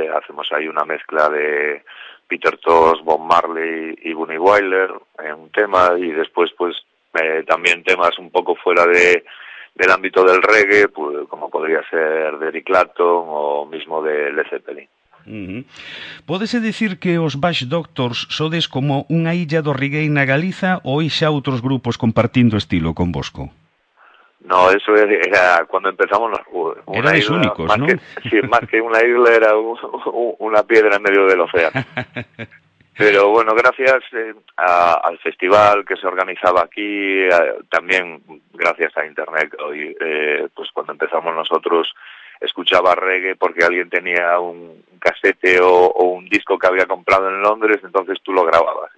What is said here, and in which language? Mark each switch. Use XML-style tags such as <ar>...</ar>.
<es>Hacemos ahí una mezcla de Peter Tosh, Bob Marley y Bunny Wailer en un tema, y después pues también temas un poco fuera del ámbito del reggae, pues como podría ser de Eric Clapton o mismo de Led Zeppelin.</es> <gl>Pódese dicir que os Bash Doctors sodes como unha illa do reggae na Galiza, ou hai xa outros grupos compartindo estilo con Bosco?</gl> <es>No, eso era cuando empezamos. Erais isla, únicos, ¿no? Sí, más que unha isla, era unha piedra en medio del océano. Pero bueno, gracias al festival que se organizaba aquí, también gracias a internet, pues cuando empezamos nosotros escuchaba reggae porque alguien tenía un casete o un disco que había comprado en Londres, entonces tú lo grababas.</es>